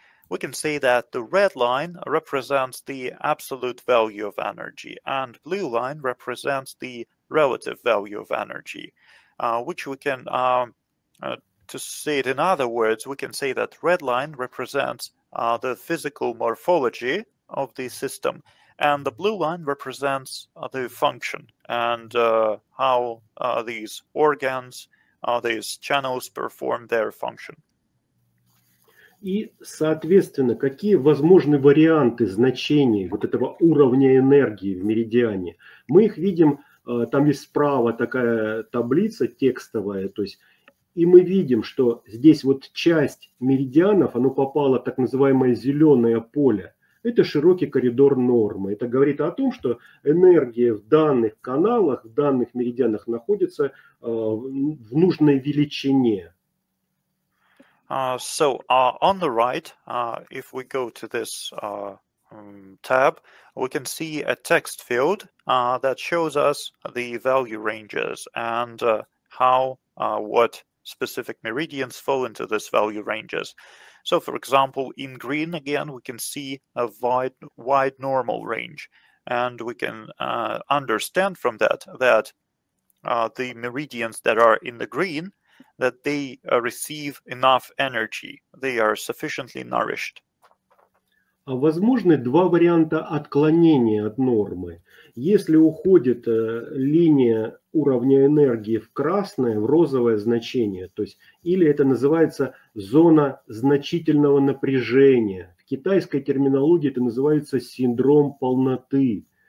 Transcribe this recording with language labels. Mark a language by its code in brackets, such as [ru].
[en] We can say that the red line represents the absolute value of energy, and blue line represents the relative value of energy, which we can, to say it in other words, we can say that red line represents the physical morphology of the system, and the blue line represents the function and how these organs, these channels perform their function. [ru] И, соответственно, какие возможны варианты значений вот этого уровня энергии в меридиане? Мы их видим, там есть справа такая таблица текстовая, то есть, и мы видим, что здесь вот часть меридианов, оно попало в так называемое зеленое поле. Это широкий коридор нормы. Это говорит о том, что энергия в данных каналах, в данных меридианах находится в нужной величине. [en] On the right, if we go to this tab, we can see a text field that shows us the value ranges and how, what specific meridians fall into this value ranges. So, for example, in green, again, we can see a wide normal range, and we can understand from that the meridians that are in the green, that they receive enough energy, they are sufficiently nourished. [ru] Возможны два варианта отклонения от нормы. Если уходит линия уровня энергии в красное, в розовое значение, то есть, или это называется зона значительного напряжения. В китайской терминологии это называется синдром полноты.